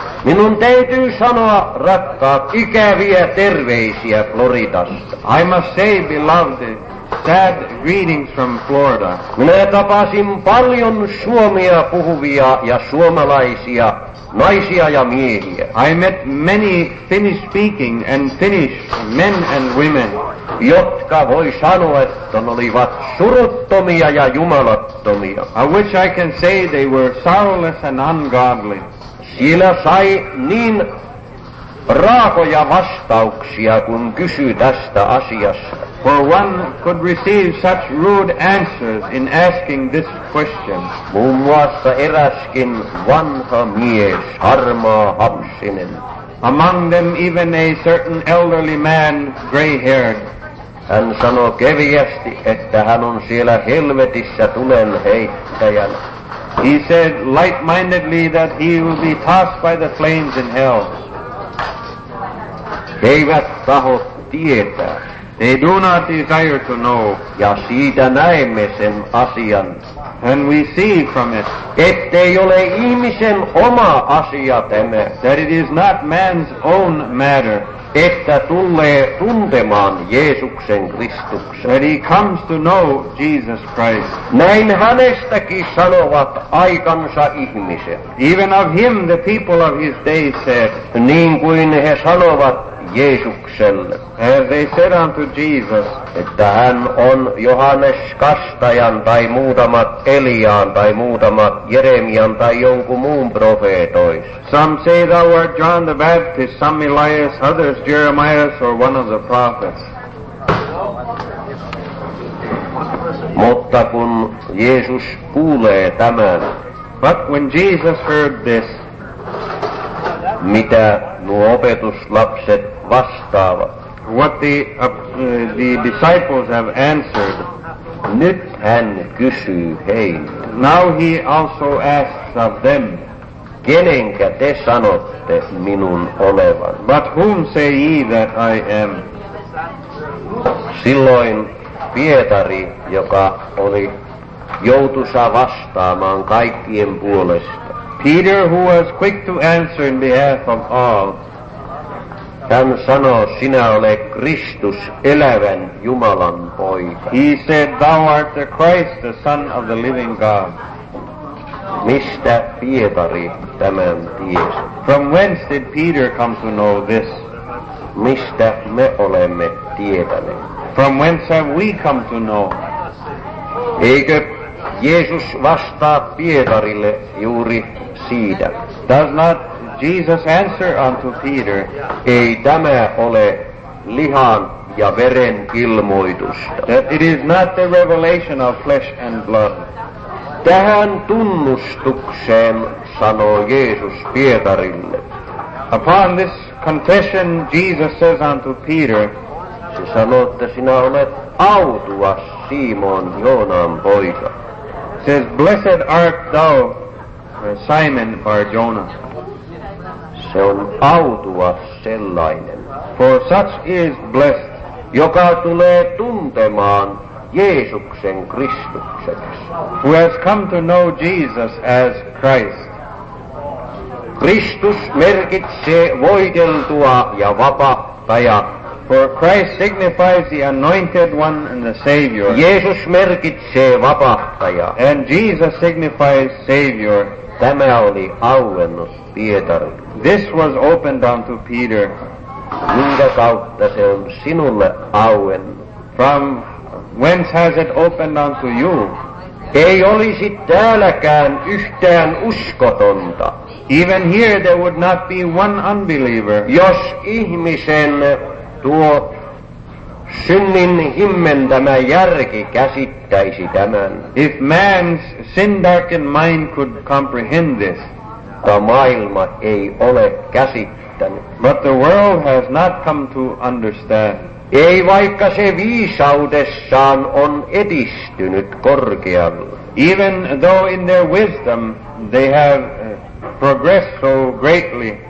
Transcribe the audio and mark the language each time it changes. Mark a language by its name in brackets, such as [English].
[Finnish] Minun täytyy sanoa, rakkaat, ikäviä terveisiä Floridasta. [English] I must say, beloved, sad greetings from Florida. [Finnish] Minä tapasin paljon suomia puhuvia ja suomalaisia naisia ja miehiä. [English] I met many Finnish speaking and Finnish men and women, [Finnish] jotka voi sanoa, että ne olivat suruttomia ja jumalattomia. [English] Of which I can say they were sorrowless and ungodly. [Finnish] Siellä sai niin raakoja vastauksia, kun kysyi tästä asiasta. [English] For one could receive such rude answers in asking this question. [Finnish] Muun muassa eräskin vanha mies, harmaa hapsinen. [English] Among them even a certain elderly man, gray-haired. [Finnish] Hän sanoo kevyesti, että hän on siellä helvetissä tulen heittäjänä. [English] He said light-mindedly that he will be tossed by the flames in hell. [Finnish] He eivät taho tietää. [English] They do not desire to know. [Finnish] Ja siitä näemme sen asian. [English] And we see from it. [Finnish] Ettei ole ihmisen oma asia tämä. [English] That it is not man's own matter. [Finnish] Että tulee tuntemaan Jeesuksen Kristuksen. [English] That he comes to know Jesus Christ. [Finnish] Näin hänestäkin sanovat aikansa ihmiset. [English] Even of him the people of his day said. [Finnish] Niin kuin he sanovat Jeesukselle. [English] As they said unto Jesus. [Finnish] Että hän on Johannes Kastajan tai muutamat Eliaan tai muutamat Jeremian tai jonkun muun profeetois. [English] Some say thou art John the Baptist, some Elias, others Jeremias or one of the prophets. [Finnish] Mutta kun Jeesus kuulee tämän. [English] But when Jesus heard this. [Finnish] Mitä nuo opetuslapset vastaavat? [English] What the disciples have answered. [Finnish] Nyt hän kysyy heille. [English] Now he also asks of them. [Finnish] Kenenkä te sanotte minun olevan? [English] But whom say ye that I am? [Finnish] Silloin Pietari, joka oli joutusa vastaamaan kaikkien puolesta. [English] Peter, who was quick to answer in behalf of all. [Finnish] Hän sanoo, sinä olet Kristus, elävän Jumalan poika. [English] He said, thou art the Christ, the Son of the living God. [Finnish] Mistä Pietari tämän tiesi? [English] From whence did Peter come to know this? [Finnish] Mistä me olemme tietäneet? [English] From whence have we come to know? [Finnish] Eikö Jeesus vastaa Pietarille juuri siitä? [English] Does not Jesus answer unto Peter? [Finnish] Ei tämä ole lihan ja veren ilmoitusta. [English] That it is not the revelation of flesh and blood. [Finnish] Tähän tunnustukseen sanoo Jeesus Pietarille. [English] Upon this confession, Jesus says unto Peter, [Finnish] se sanoo, että sinä olet autuas Simon Joonan poika. [English] Says, blessed art thou, Simon Barjona. [Finnish] Se on autuas sellainen. [English] For such is blessed, [Finnish] joka tulee tuntemaan Jeesuksen Kristukseksi. [English] Who has come to know Jesus as Christ. [Finnish] Kristus merkitsee voiteltua ja vapahtaja. [English] For Christ signifies the anointed one and the Savior. [Finnish] Jeesus merkitsee vapahtaja. [English] And Jesus signifies Savior. [Finnish] Tämä oli auennut Pietarille. [English] This was opened unto Peter. [Finnish] Minkä kautta se on sinulle auennut? [English] From whence has it opened unto you? [Finnish] Ei olisi täälläkään yhtään uskotonta. [English] Even here there would not be one unbeliever. [Finnish] Jos ihmisen tuo synnin himmentämä järki käsittäisi tämän. [English] If man's sin-darkened mind could comprehend this. [Finnish] Maailma ei ole käsittänyt. [English] But the world has not come to understand. [Finnish] Ei vaikka se viisaudessaan on edistynyt korkealla. [English] Even though in their wisdom they have progressed so greatly.